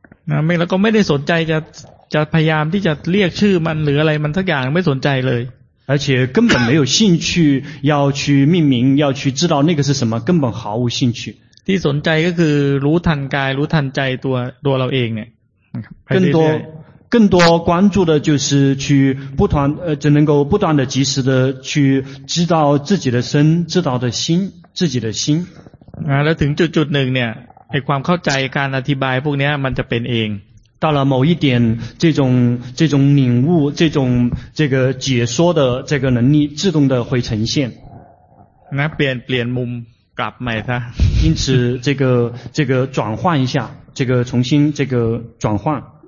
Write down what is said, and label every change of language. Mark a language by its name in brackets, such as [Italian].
[Thai] นะไม่แล้วก็ไม่ได้สนใจจะพยายามที่จะเรียกชื่อมันหรืออะไรมันสักอย่างไม่สนใจเลย [Chinese] 而且根本没有兴趣要去命名要去知道那个是什么根本毫无兴趣 [Thai] ที่สนใจก็คือรู้ทันกายรู้ทันใจตัวเราเองเนี่ [Chinese] ย更多关注的就是去不断只能够不断的及时的去知道自己的身知道的心自己的心 [Thai] แล้วถึงจุดหนึ่งเนี่ยไอ้ความเข้าใจการอธิบายพวกนี้มันจะเป็นเอง [Chinese] 到了某一点这种领悟这个解说的这个能力自动的会呈现 [Thai] นะเปลี่ยนมุมกลับใหม่ซะ [Chinese] 因此这个转换一下这个重新这个转换